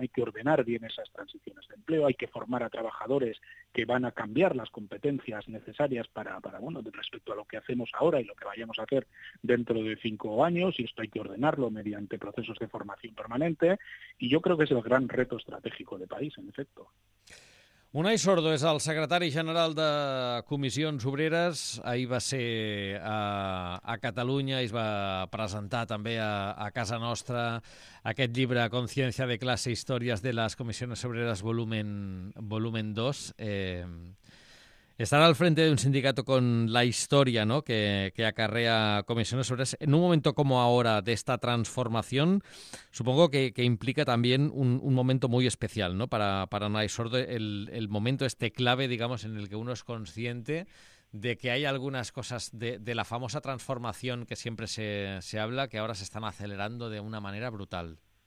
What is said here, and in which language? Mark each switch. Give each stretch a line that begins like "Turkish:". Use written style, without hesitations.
Spanish: Hay que ordenar bien esas transiciones de empleo, hay que formar a trabajadores que van a cambiar las competencias necesarias para respecto a lo que hacemos ahora y lo que vayamos a hacer dentro de 5 años, y esto hay que ordenarlo mediante procesos de formación permanente, y yo creo que es el gran reto estratégico de país, en efecto.
Catalan: Unai Sordo és el secretari general de Comissions Obreres. Ahir va ser a Catalunya i es va presentar també a casa nostra aquest llibre Consciència de classe, històries de les Comissions Obreres volumen 2.
Spanish: Estar al frente de un sindicato con la historia, ¿no?, que acarrea Comisiones Obreras, en un momento como ahora de esta transformación, supongo que implica también un momento muy especial, ¿no?, para Unai Sordo, el momento este clave, digamos, en el que uno es consciente de que hay algunas cosas de la famosa transformación que siempre se habla, que ahora se están acelerando de una manera brutal.